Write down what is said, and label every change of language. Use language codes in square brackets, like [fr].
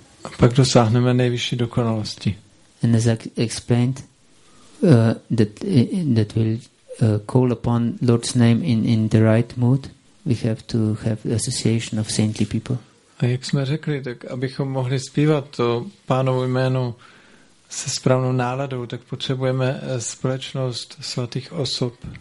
[cs] A pak dosáhneme nejvyšší dokonalosti. [en] And as I explained, that we'll call upon Lord's name in the right mood, we have to have association of saintly people. [cs] A jak jsme řekli, tak abychom mohli zpívat to Pánovo jméno se správnou náladou, tak potřebujeme společnost svatých osob.